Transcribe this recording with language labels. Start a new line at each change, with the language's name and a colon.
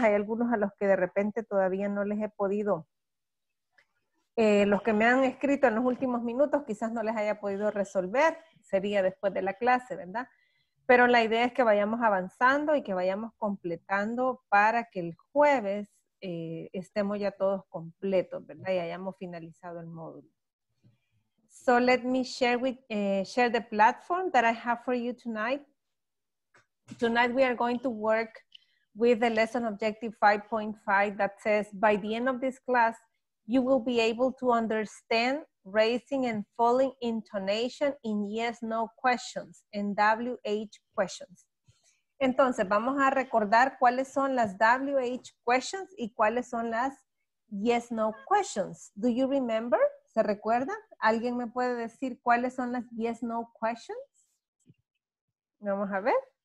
Spanish: Hay algunos a los que de repente todavía no les he podido. Los que me han escrito en los últimos minutos quizás no les haya podido resolver. Sería después de la clase, ¿verdad? Pero la idea es que vayamos avanzando y que vayamos completando para que el jueves estemos ya todos completos, ¿verdad? Y hayamos finalizado el módulo.
English: So let me share with share the platform that I have for you tonight. Tonight we are going to work with the lesson objective 5.5 that says by the end of this class, you will be able to understand raising and falling intonation in yes-no questions, in WH questions.
Spanish: Entonces, vamos a recordar cuáles son las WH questions y cuáles son las yes-no questions.
English: Do you remember?
Spanish: ¿Se recuerda? ¿Alguien me puede decir cuáles son las yes-no questions? Vamos a ver.